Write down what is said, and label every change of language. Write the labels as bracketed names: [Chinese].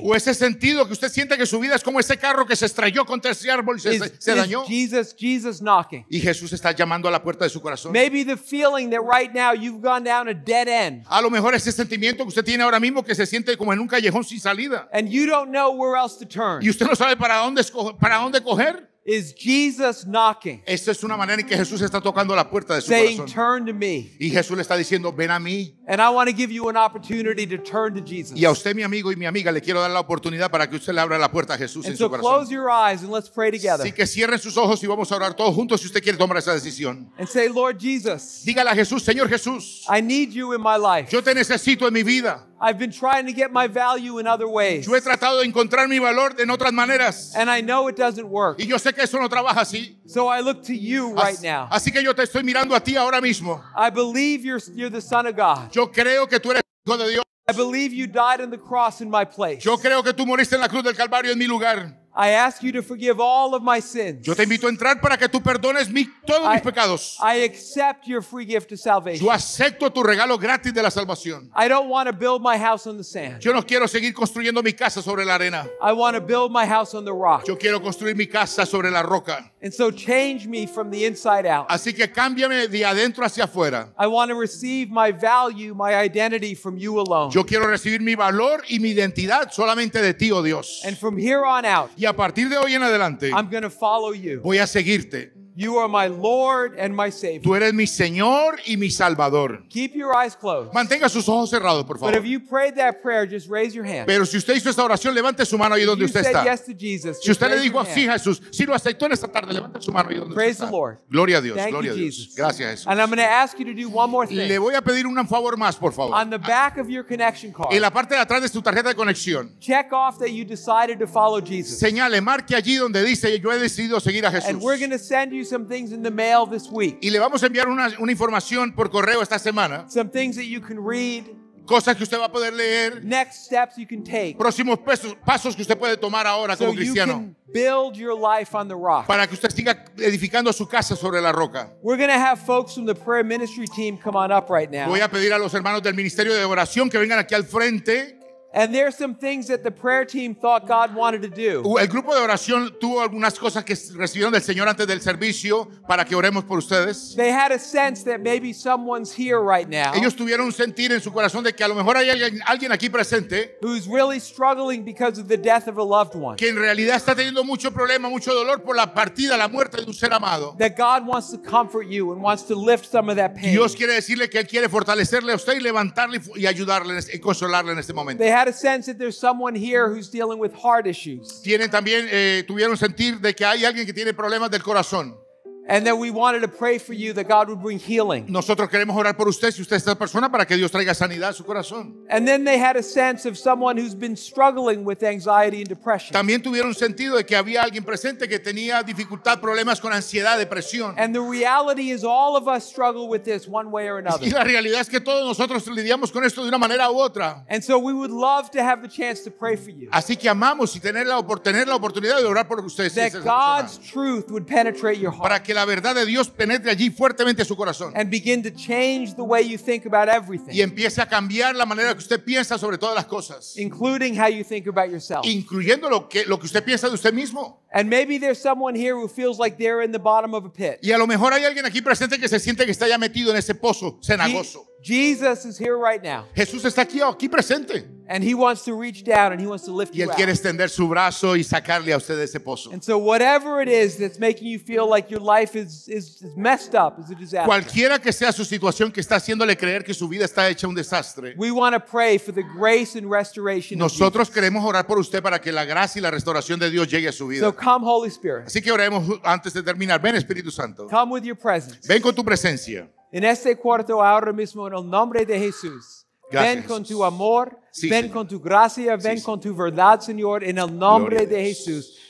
[Spanish] O ese sentido que usted siente que su vida es como ese carro que se estrelló contra el árbol, se dañó. [English] Jesus knocking. [Spanish] Y Jesús está llamando a la puerta de su corazón. [English] Maybe the feeling that right now you've gone down a dead end. [Spanish] A lo mejor ese sentimiento que usted tiene ahora mismo que se siente como en un callejón sin salida. [English] And you don't know where else to turn. [Spanish] Y usted no sabe para dónde coger. [English] Is Jesus knocking? [Spanish] Esa es una manera en que Jesús está tocando la puerta de su [English] saying, [Spanish] corazón. [English] Turn to me. [Spanish] Y Jesús le está diciendo, ven a mí. [English] And I want to give you an opportunity to turn to Jesus. [Spanish] Y a usted, mi amigo y mi amiga, le quiero dar la oportunidad para que usted le abra la puerta a Jesús [English] and [Spanish] en [English] so [Spanish] su corazón. [English] Close your eyes and let's pray together. [Spanish] Así que cierren sus ojos y vamos a orar todos juntos si usted quiere tomar esa decisión. [English] And say, Lord Jesus. [Spanish] Dígale a Jesús, Señor Jesús. [English] I need you in my life. [Spanish] Yo te necesito en mi vida. [English] I've been trying to get my value in other ways. [Spanish] Yo he tratado de encontrar mi valor en otras maneras. [English] And I know it doesn't work. [Spanish] Y yo sé que eso no trabaja así. [English] So I look to you right now. [Spanish] Así que yo te estoy mirando a ti ahora mismo. [English] I believe you're the Son of God. [Spanish] Yo creo que tú eres Hijo de Dios. [English] I believe you died on the cross in my place. [Spanish] Yo creo que tú moriste en la cruz del Calvario en mi lugar. [English] I ask you to forgive all of my sins. [Spanish] Yo te invito a entrar para que tú perdones todos mis pecados. [English] I accept your free gift of salvation. [Spanish] Yo acepto tu regalo gratis de la salvación. [English] I don't want to build my house on the sand. [Spanish] Yo no quiero seguir construyendo mi casa sobre la arena. [English] I want to build my house on the rock. [Spanish] Yo quiero construir mi casa sobre la roca. [English] And so change me from the inside out. [Spanish] Así que cámbiame de adentro hacia afuera. [English] I want to receive my value, my identity from you alone. [Spanish] Yo quiero recibir mi valor y mi identidad solamente de ti, oh Dios. [English] And from here on out, [Spanish] y a partir de hoy en adelante, [English] I'm going to follow you. [Spanish] Voy a seguirte. [English] You are my Lord and my Savior. [Spanish] Tú eres mi Señor y mi Salvador. [English] Keep your eyes closed. [Spanish] Mantenga sus ojos cerrados, por favor. [English] But if you prayed that prayer, just raise your hand. [Spanish] Pero si usted hizo esta oración, levante su mano ahí donde usted está. [English] If you said yes to Jesus, [Spanish] si usted le dijo sí a Jesús, si lo aceptó en esta tarde, levante su mano ahí donde [English] praise [Spanish] usted está. [English] The Lord. [Spanish] Gloria a Dios. [English] Thank [Spanish] gloria [English] you, [Spanish] a Dios. [English] Jesus. [Spanish] Gracias a Jesús. [English] And I'm going to ask you to do one more thing. [Spanish] Le voy a pedir un favor más, por favor. [English] On the back of your connection card. [Spanish] En la parte de atrás de su tarjeta de conexión. [English] Check off that you decided to follow Jesus. [Spanish] Señale, marque allí donde dice yo he decidido seguir a Jesús. [English] And we're going to send you some things in the mail this week. [Spanish] Y le vamos a enviar una información por correo esta semana. [English] Some things that you can read. [Spanish] Cosas que usted va a poder leer. [English] Next steps you can take. [Spanish] Próximos pasos que usted puede tomar ahora [English] so [Spanish] como cristiano. [English] You can build your life on the rock. [Spanish] Para que usted siga edificando su casa sobre la roca. [English] We're going to have folks from the prayer ministry team come on up right now. [Spanish] Voy a pedir a los hermanos del ministerio de oración que vengan aquí al frente. [English] And there are some things that the prayer team thought God wanted to do. [Spanish] El grupo de oración tuvo algunas cosas que recibieron del Señor antes del servicio para que oremos por ustedes. [English] They had a sense that maybe someone's here right now. [Spanish] Ellos tuvieron un sentir en su corazón de que a lo mejor hay alguien aquí presente. [English] Who's really struggling because of the death of a loved one. [Spanish] Que en realidad está teniendo mucho problema, mucho dolor por la partida, la muerte de un ser amado. [English] That God wants to comfort you and wants to lift some of that pain. [Spanish] Dios quiere decirle que él quiere fortalecerle a usted y levantarle y ayudarle y consolarle en este momento. [English] They had a sense that there's someone here who's dealing with heart issues. [Spanish] Tienen también tuvieron sentir de que hay alguien que tiene problemas del corazón. [English] And that we wanted to pray for you that God would bring healing. [Spanish] Nosotros queremos orar por usted si usted es esta persona para que Dios traiga sanidad a su corazón. [English] And then they had a sense of someone who's been struggling with anxiety and depression. [Spanish] También tuvieron sentido de que había alguien presente que tenía dificultad, problemas con ansiedad, depresión. [English] And the reality is all of us struggle with this one way or another. [Spanish] Y la realidad es que todos nosotros lidiamos con esto de una manera u otra. [English] And so we would love to have the chance to pray for you. [Spanish] Así que amamos y tener la oportunidad de orar por usted. [English] That God's truth would penetrate your heart. [Spanish] Que la verdad de Dios penetre allí fuertemente su corazón. [English] And begin to change the way you think about everything. [Spanish] Y empiece a cambiar la manera que usted piensa sobre todas las cosas. [English] Including how you think about yourself. [Spanish] Incluyendo lo que usted piensa de usted mismo. [English] And maybe there's someone here who feels like they're in the bottom of a pit. [Spanish] Y a lo mejor hay alguien aquí presente que se siente que está ya metido en ese pozo cenagoso. [English] Jesus is here right now. [Spanish] Jesús está aquí presente. [English] And he wants to reach down and he wants to lift you out. [Spanish] Y él quiere extender su brazo y sacarle a usted de ese pozo. [English] And so whatever it is that's making you feel like your life is messed up, is a disaster. [Spanish] Cualquiera que sea su situación que está haciéndole creer que su vida está hecha un desastre. [English] We want to pray for the grace and restoration. [Spanish] Nosotros queremos orar por usted para que la gracia y la restauración de Dios llegue a su vida. [English] So come, Holy Spirit. [Spanish] Así que oremos antes de terminar. Ven, Espíritu Santo. Come with your presence. Ven con tu presencia. En este cuarto ahora mismo en el nombre de Jesús. Gracias, ven con tu amor, sí, ven, señor. Con tu gracia, ven, sí, con tu verdad, Señor, en el nombre de Jesús.